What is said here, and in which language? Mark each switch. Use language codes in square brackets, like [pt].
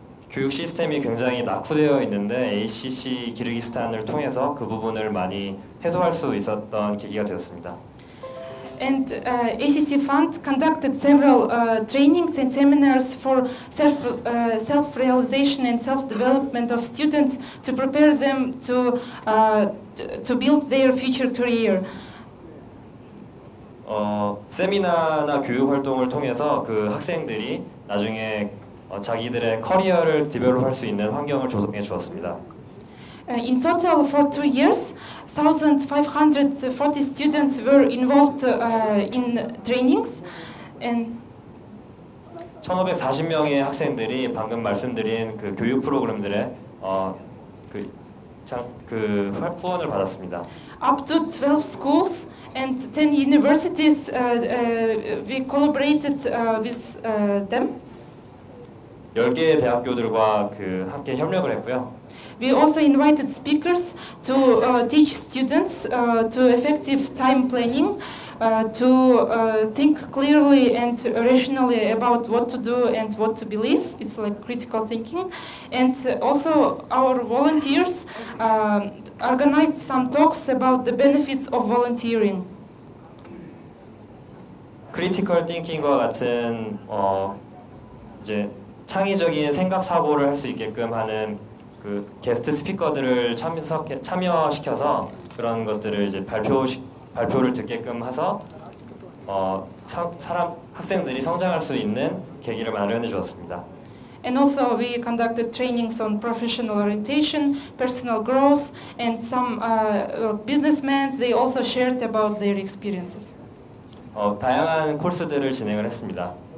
[ko] 교육 시스템이 굉장히 낙후되어 있는데 ACC 키르기스탄을 통해서 그 부분을 많이 해소할 수 있었던 계기가 되었습니다. [en] And ACC Fund conducted several trainings and seminars for self-realization and self-development of students to prepare them to build their future career. [ko] 세미나나 교육 활동을 통해서 그 학생들이 나중에 자기들의 커리어를 디벨롭할 수 있는 환경을 조성해 주었습니다. [en] In total, for 2 years, 1,540 students were involved in trainings, and [ko] 1,540명의 학생들이 방금 말씀드린 그 교육 프로그램들의 후원을 받았습니다. [en] Up to 12 schools and 10 universities, we collaborated with them. [ko] 10개의 대학교들과 함께 협력을 했고요. [en] We also invited speakers to teach students to effective time planning, to think clearly and rationally about what to do and what to believe. It's like critical thinking. And also our volunteers organized some talks about the benefits of volunteering. [ko] Critical thinking과 같은 이제 창의적인 생각 사고를 할 수 있게끔 하는 그 게스트 스피커들을 참여시켜서 그런 것들을 이제 발표를 듣게끔 해서 학생들이 성장할 수 있는 계기를 마련해 주었습니다. [en] And also we conducted trainings on professional orientation, personal growth and some businessmen, they also shared about their experiences. [ko] 다양한 코스들을 진행을 했습니다.